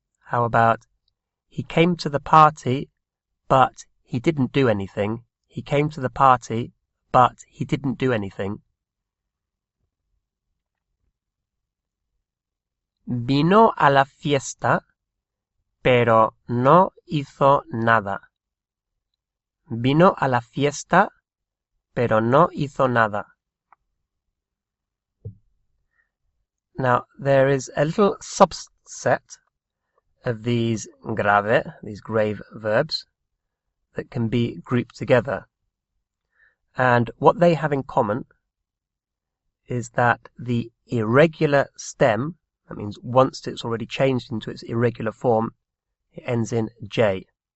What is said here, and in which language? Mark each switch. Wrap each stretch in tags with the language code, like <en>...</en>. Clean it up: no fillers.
<en>How about, he came to the party, but he didn't do anything. He came to the party, but he didn't do anything.</en> <es>Vino a la fiesta, pero no hizo nada. Vino a la fiesta, pero no hizo nada.</es> <en>Now, there is a little subset of these grave, these grave verbs, that can be grouped together. And what they have in common is that the irregular stem, that means once it's already changed into its irregular form, it ends in J.</en>